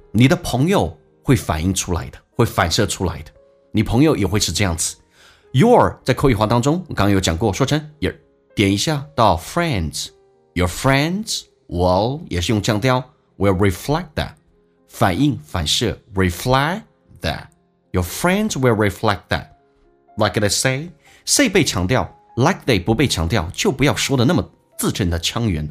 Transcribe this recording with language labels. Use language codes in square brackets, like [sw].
[zh] 你的朋友会反映出来的，会反射出来的。你朋友也会是这样子。Your 在口语化当中，我刚刚有讲过，说成 your, 点一下到 friends. [en] Your friends will, [zh] 也是用降调 [en] will reflect that. [zh] 反映反射 [en] reflect that. Your friends will reflect that. Like they say, [zh] say 被强调Like they 不被强调，就不要说的那么字正的腔圆。